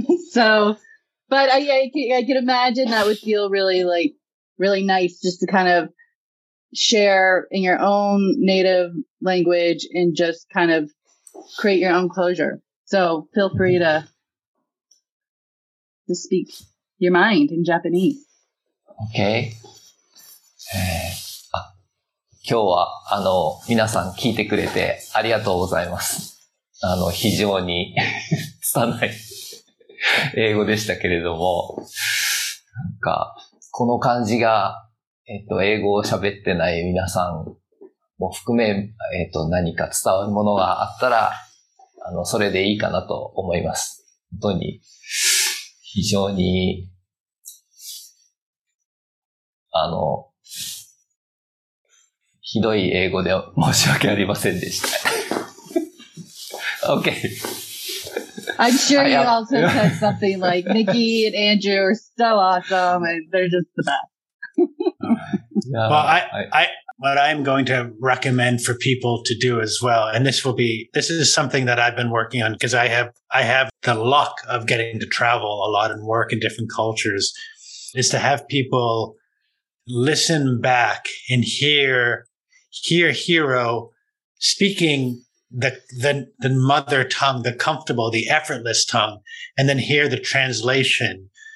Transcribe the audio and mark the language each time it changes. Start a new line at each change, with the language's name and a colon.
English: So, but I could imagine that would feel really like really nice just to kind of share in your own native language and just kind of create your own closure. So feel free to speak your mind in Japanese. Okay.
Japanese: 今日は皆さん聞いてくれてありがとうございます。非常に拙い英語でしたけれども、なんかこの感じが英語を喋ってない皆さんも含め何か伝わるものがあったらそれでいいかなと思います。本当に非常に ひどい英語で申し訳ありませんでした。
English: Okay. I'm sure you also said something like Nikki and Andrew are so awesome and they're just the best. Well, what I'm going to recommend for people to do as well, and this is something that I've been working on because I have the luck of getting to travel a lot and work in different cultures, is to have people listen back and hear Hiro speaking the mother tongue, the comfortable, the effortless tongue, and then hear the translation.